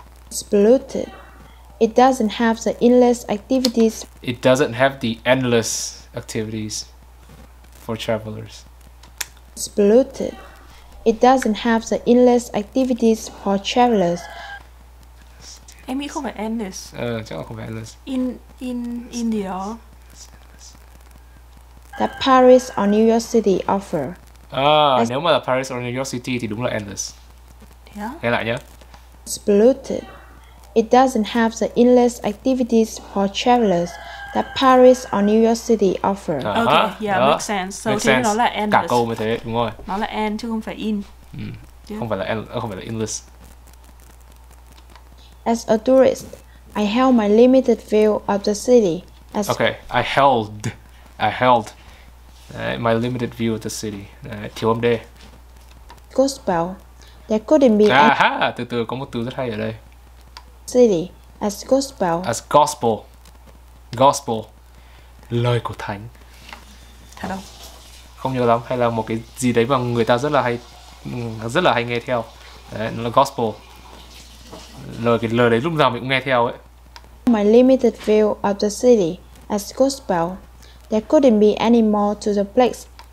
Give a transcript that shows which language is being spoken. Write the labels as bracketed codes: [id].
[en] It's polluted. It doesn't have the endless activities. It doesn't have the endless activities for travelers. It's polluted. It doesn't have the endless activities for travelers. [vi] Em nghĩ không phải endless. Chắc là không phải endless. [en] In India. That Paris or New York City offer. [vi] Nếu mà là Paris or New York City thì đúng là endless. [en] Yeah. [vi] Nghe lại nhé. [en] It's polluted. It doesn't have the endless activities for travelers that Paris or New York City offer. Okay, yeah, makes sense. So makes [vi] thế [en] sense. [vi] Nó là endless. Cả câu mới thế, đúng rồi. Nó là end chứ không phải in. Không phải là endless, không phải là endless. [en] As a tourist, I held my limited view of the city. As okay, I held my limited view of the city. [vi] Thiếu âm D. [en] Gospel. There couldn't be. [vi] Aha, từ từ có một từ rất hay ở đây. [en] City as gospel. As gospel. Gospel. [vi] Lời của thánh. Thật không? Không nhớ lắm hay là một cái gì đấy mà người ta rất là hay nghe theo. Đấy, nó là gospel. Lời đấy lúc nào mình cũng nghe theo ấy. [en] My limited view of the city as gospel. There couldn't be any more to the place.